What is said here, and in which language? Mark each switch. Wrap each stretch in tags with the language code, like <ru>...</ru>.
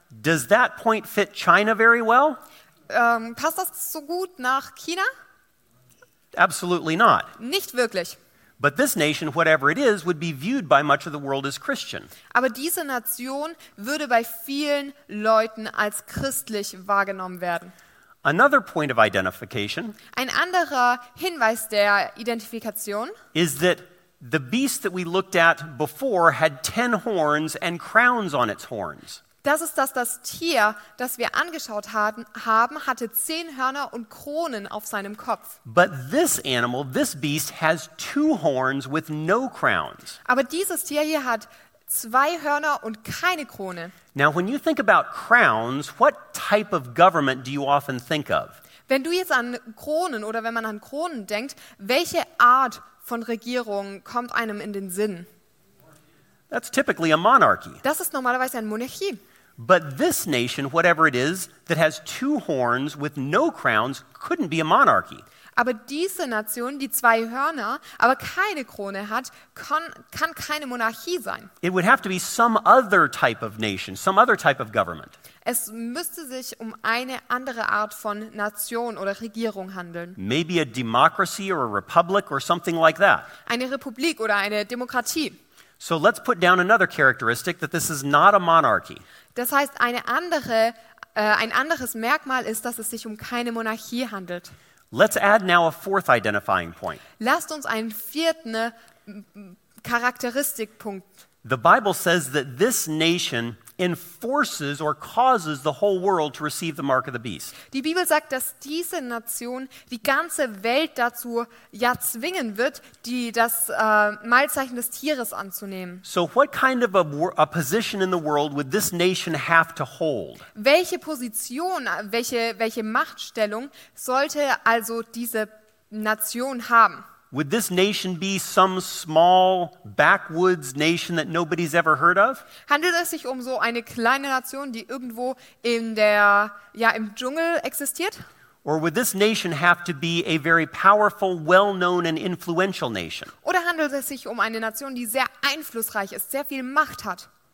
<en>Does that point fit China very well?</en> <de>Passt das so gut nach China?</de> <en>Absolutely not.</en> <de>Nicht wirklich.</de> <en>But this nation, whatever it is, would be viewed by much of the world as Christian.</en> <de>Aber diese Nation würde bei vielen Leuten als christlich wahrgenommen werden.</de> <en>Another point of identification.</en> <de>Ein anderer Hinweis der Identifikation</de> <en>is that the beast that we looked at before had 10 horns and crowns on its horns.</en> <de>Das ist das Tier, das wir angeschaut haben, hatte 10 Hörner und Kronen auf seinem Kopf.</de> <en>But this animal, this beast has 2 horns with no crowns.</en> <de>Aber dieses Tier hier hat 2 Hörner und keine Krone.</de> <en>Now when you think about crowns, what type of government do you often think of?</en> <de>Wenn du jetzt an Kronen oder wenn man an Kronen denkt, welche Art von Regierung kommt einem in den Sinn?</de> <en>That's typically a monarchy.</en> <de>Das ist normalerweise eine Monarchie.</de> <en>But this nation, whatever it is, that has 2 horns with no crowns, couldn't be a monarchy.</en> <de>Aber diese Nation, die 2 Hörner, aber keine Krone hat, kann keine Monarchie sein.</de> <en>It would have to be some other type of nation, some other type of government.</en> <de>Es müsste sich um eine andere Art von Nation oder Regierung handeln.</de> <en>Maybe a democracy or a republic or something like that.</en> <de>Eine Republik oder eine Demokratie.</de> <en>So let's put down another characteristic that this is not a monarchy.</en> <de>Das heißt, ein anderes Merkmal ist, dass es sich um keine Monarchie handelt.</de> <en>Let's add now a fourth identifying point.</en> <de>Lasst uns einen vierten Charakteristikpunkt.</de> <en>The Bible says that this nation enforces or causes the whole world to receive the mark of the beast.</en> <de>Die Bibel sagt, dass diese Nation die ganze Welt dazu ja zwingen wird, das Malzeichen des Tieres anzunehmen.</de> <en>So what kind of a position in the world would this nation have to hold?</en> <de>Welche Position, welche Machtstellung sollte also diese Nation haben?</de> <en>Would this nation be some small backwoods nation that nobody's ever heard of?</en> <de>Handelt es sich um so eine kleine Nation, die irgendwo in der ja im Dschungel existiert?</de> <en>Or would this nation have to be a very powerful, well-known and influential nation?</en> <de>Oder handelt es sich um eine Nation, die sehr einflussreich ist, sehr viel Macht hat?</de>